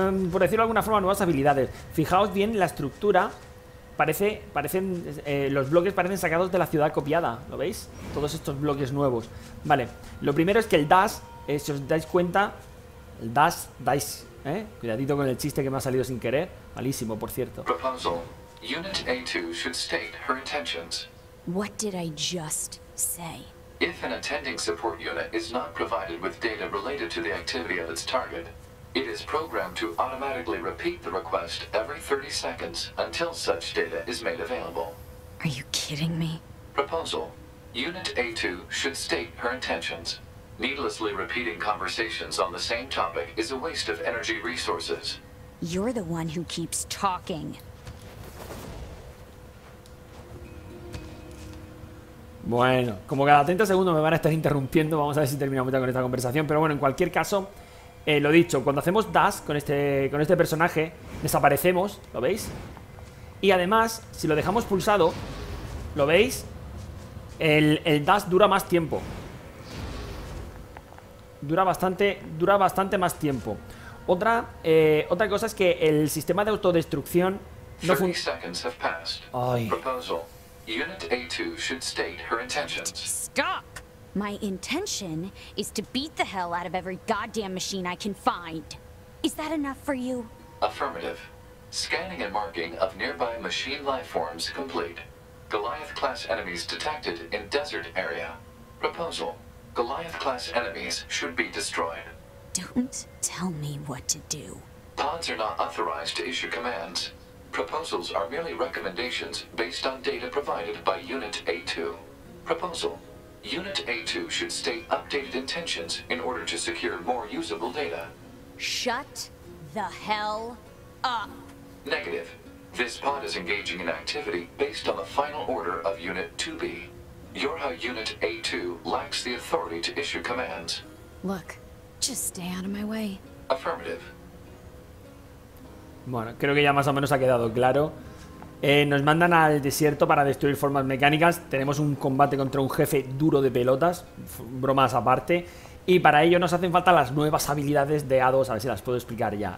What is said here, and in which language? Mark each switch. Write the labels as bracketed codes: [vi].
[es] por decirlo de alguna forma, nuevas habilidades. Fijaos bien la estructura. Los bloques parecen sacados de la ciudad copiada. ¿Lo veis? Todos estos bloques nuevos. Vale. Lo primero es que el dash, si os dais cuenta... El dash, dice, ¿eh? Cuidadito con el chiste que me ha salido sin querer. Malísimo, por cierto. [en] Unit A2 should state her intentions. What did I just say? If an attending support unit is not provided with data related to the activity of its target, it is programmed to automatically repeat the request every 30 seconds until such data is made available. Are you kidding me? Proposal. Unit A2 should state her intentions. Needlessly repeating conversations on the same topic is a waste of energy resources. You're the one who keeps talking. [es] Bueno, como cada 30 segundos me van a estar interrumpiendo, vamos a ver si terminamos con esta conversación. Pero bueno, en cualquier caso, lo dicho, cuando hacemos dash con este personaje, desaparecemos, ¿lo veis? Y además, si lo dejamos pulsado, ¿lo veis? El dash dura más tiempo. Dura bastante más tiempo. Otra cosa es que el sistema de autodestrucción no funciona. Ay. [en] Unit A2 should state her intentions. Stop! My intention is to beat the hell out of every goddamn machine I can find. Is that enough for you? Affirmative. Scanning and marking of nearby machine life forms complete. Goliath class enemies detected in desert area. Proposal. Goliath class enemies should be destroyed. Don't tell me what to do. Pods are not authorized to issue commands. Proposals are merely recommendations based on data provided by Unit A2. Proposal. Unit A2 should state updated intentions in order to secure more usable data. Shut the hell up. Negative. This pod is engaging in activity based on the final order of Unit 2B. Yorha Unit A2 lacks the authority to issue commands. Look, just stay out of my way. Affirmative. [es] Bueno, creo que ya más o menos ha quedado claro. Nos mandan al desierto para destruir formas mecánicas. Tenemos un combate contra un jefe duro de pelotas, bromas aparte. Y para ello nos hacen falta las nuevas habilidades de A2, a ver si las puedo explicar ya.